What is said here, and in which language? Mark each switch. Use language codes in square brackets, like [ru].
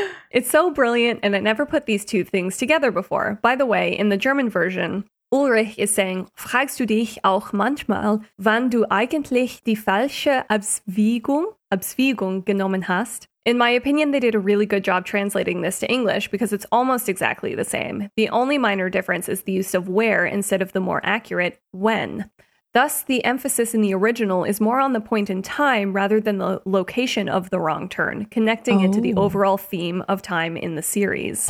[en] It's so brilliant, and I never put these two things together before. By the way, in the German version, Ulrich is saying, [de] fragst du dich auch manchmal, wann du eigentlich die falsche Abzweigung genommen hast? [en] In my opinion, they did a really good job translating this to English because it's almost exactly the same. The only minor difference is the use of where instead of the more accurate when. Thus, the emphasis in the original is more on the point in time rather than the location of the wrong turn, connecting it to the overall theme of time in the series.